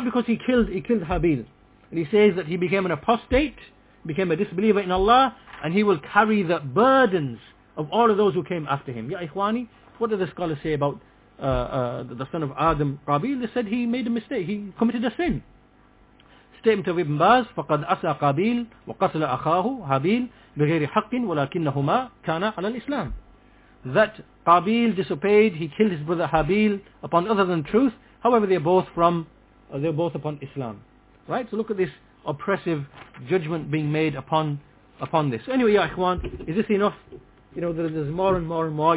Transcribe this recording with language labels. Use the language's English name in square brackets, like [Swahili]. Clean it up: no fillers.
[English] Because he killed Habil. And he says that he became an apostate, became a disbeliever in Allah, and he will carry the burdens of all of those who came after him. Ya ikhwani, what do the scholars say about the son of Adam, Qabil, they said he made a mistake, he committed a sin. Statement of Ibn Baz, [Arabic] فَقَدْ أَسَى قَابِيلْ وَقَتْلَ أَخَاهُ هَابِيلْ بِغَيْرِ حَقٍ وَلَكِنَّهُمَا كَانَ عَلَى الْإِسْلَامِ. [English] That Qabil disobeyed, he killed his brother Habil upon other than truth, however they are both from, they are both upon Islam. Right? So look at this oppressive judgment being made upon this. Anyway, ya ikhwan, is this enough? You know, there's more and more and more.